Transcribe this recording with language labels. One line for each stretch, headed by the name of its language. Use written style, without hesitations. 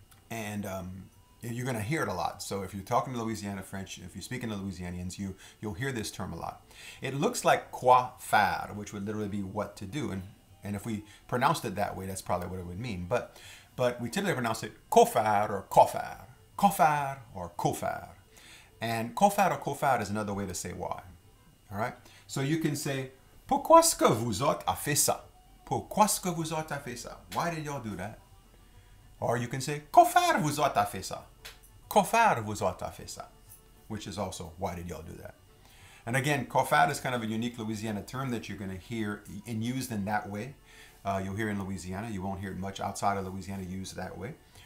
English: And you're going to hear it a lot. So if you're talking to Louisiana French, if you're speaking to Louisianians, you'll hear this term a lot. It looks like quoi faire, which would literally be what to do. And if we pronounced it that way, that's probably what it would mean. But we typically pronounce it co-faire or co-faire. Co-faire or co-faire. And co-faire or co-faire is another way to say why. All right? So you can say,
French: pourquoi est-ce que vous autres a fait ça? Pourquoi est-ce que vous autres a fait ça?
English: Why did y'all do that? Or you can say,
French: co-faire vous autres a fait ça? Co-faire vous autres a fait ça?
English: Which is also, why did y'all do that? And again, co-faire is kind of a unique Louisiana term that you're going to hear and used in that way. You'll hear in Louisiana. You won't hear it much outside of Louisiana used that way.